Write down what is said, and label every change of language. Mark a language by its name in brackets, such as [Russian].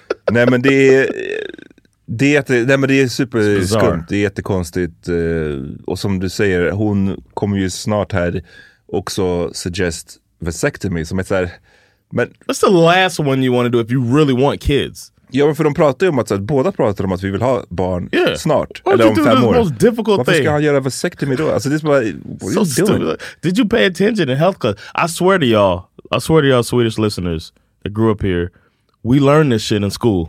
[Swedish] Nej, men det är superskumt. Det är jättekonstigt. Och som du säger, hon kommer ju snart här också suggest vasectomy. Som är så här, men, [English] that's the last one you want to do if you really want kids. [Swedish] Ja, för de pratar ju om att så här, båda pratar om att vi vill ha barn snart. [English] Why [Swedish] eller om 5 år. [English] The most difficult [Swedish] varför ska [English] thing? [Swedish] Han göra vasectomy då? Alltså, det är bara, what are you doing? [English] Stupid. Did you pay attention in health class? I swear to y'all, Swedish listeners that grew up here, we learned this shit in school.